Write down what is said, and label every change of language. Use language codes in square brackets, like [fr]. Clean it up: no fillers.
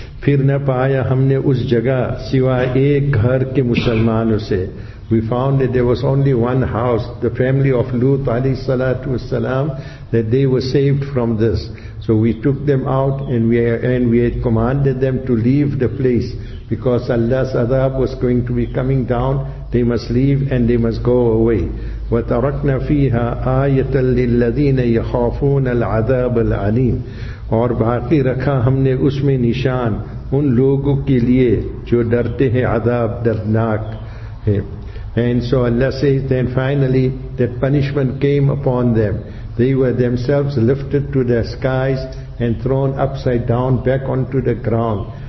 [ur] پھر نہ پایا ہم نے اس جگہ سوائے ایک گھر کے مسلمانوں سے. [en] We found that there was only one house, the family of Lut alayhi salatu wasalam, that they were saved from this. So we took them out, and we had commanded them to leave the place, because Allah's adab was going to be coming down. They must leave and they must go away. [ar] وَتَرَكْنَا فِيهَا آيَةً لِلَّذِينَ يَخَافُونَ الْعَذَابَ الْعَلِيمِ. [ur] اور باقی رکھا ہم نے اس میں نشان ان لوگوں کے لیے جو ڈرتے ہیں عذاب دردناک ہے. [en] And so Allah says, then finally that punishment came upon them. They were themselves lifted to the skies and thrown upside down back onto the ground.